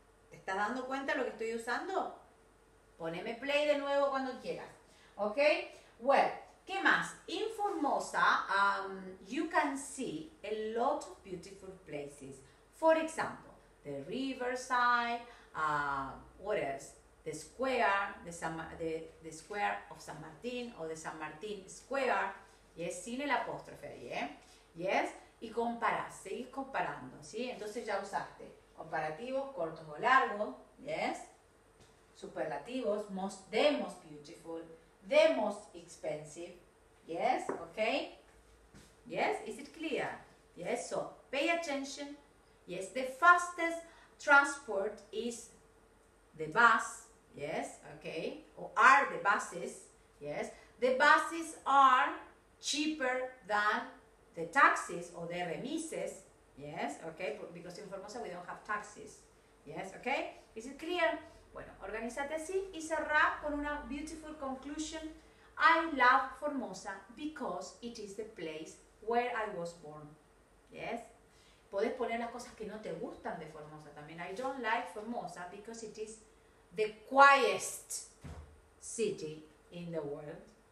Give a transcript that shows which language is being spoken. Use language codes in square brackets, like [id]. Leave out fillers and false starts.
[es] ¿Te estás dando cuenta de lo que estoy usando? Poneme play de nuevo cuando quieras. [en] Okay, well. [es] ¿Qué más? [en] In Formosa, you can see a lot of beautiful places. For example, the riverside, what else? The square, the square of San Martín, or the San Martín Square. [es] Yes, sin el apóstrofe ahí, ¿eh? Yes, y comparas, seguís comparando, ¿sí? Entonces ya usaste comparativos, cortos o largos, yes, superlativos, most, [en] the most beautiful, the most expensive. Yes, okay. Yes, is it clear? Yes, so pay attention. Yes, the fastest transport is the bus. Yes, okay. Or are the buses. Yes, the buses are cheaper than the taxis or the remises. Yes, okay. Because in Formosa we don't have taxis. Yes, okay. Is it clear? [es] Bueno, organízate así y cerrá con una [en] beautiful conclusion. I love Formosa because it is the place where I was born. Yes? [es] Puedes poner las cosas que no te gustan de Formosa también. [en] I don't like Formosa because it is the quietest city in the world.